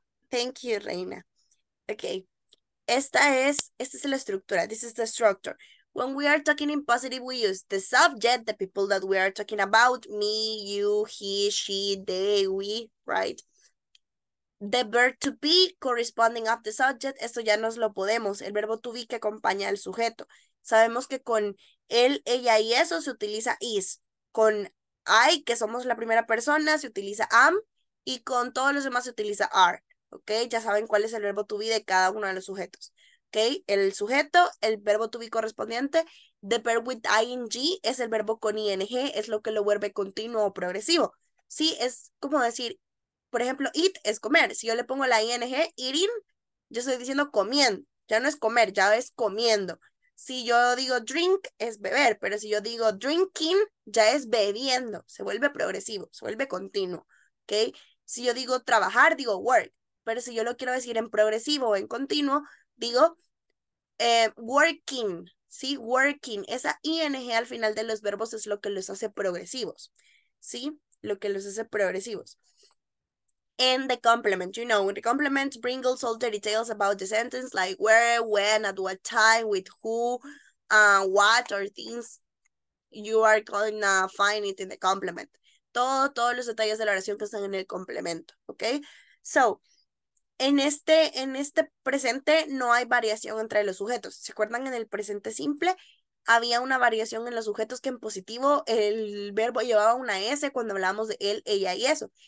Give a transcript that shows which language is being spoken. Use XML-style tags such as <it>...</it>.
<en>Thank you, Reina. Okay.</en> <es>Esta es la estructura.</es> <en>This is the structure. When we are talking in positive, we use the subject, the people that we are talking about, me, you, he, she, they, we, right? The verb to be corresponding of the subject,</en> <es>esto ya nos lo podemos. El verbo to be que acompaña al sujeto. Sabemos que con él, ella y eso se utiliza is. Con I, que somos la primera persona, se utiliza am. Y con todos los demás se utiliza are. ¿Ok? Ya saben cuál es el verbo to be de cada uno de los sujetos. ¿Ok? El sujeto, el verbo to be correspondiente.</es> <en>The verb with ing</en> <es>es el verbo con ing. Es lo que lo vuelve continuo o progresivo. Sí, es como decir, por ejemplo, eat es comer. Si yo le pongo la ing, eating, yo estoy diciendo comiendo. Ya no es comer, ya es comiendo. Si yo digo drink, es beber, pero si yo digo drinking, ya es bebiendo. Se vuelve progresivo, se vuelve continuo, ¿ok? Si yo digo trabajar, digo work, pero si yo lo quiero decir en progresivo o en continuo, digo working, ¿sí? Working. Esa ing al final de los verbos es lo que los hace progresivos, ¿sí? Lo que los hace progresivos.</es> <en>In the complement, you know, the complement brings all the details about the sentence, like where, when, at what time, with who, what, or things you are going to find it in the complement.</en> <es>Todos los detalles de la oración que están en el complemento, ¿ok? So, en este presente no hay variación entre los sujetos. ¿Se acuerdan? En el presente simple había una variación en los sujetos que en positivo el verbo llevaba una S cuando hablábamos de él, ella y eso.</es>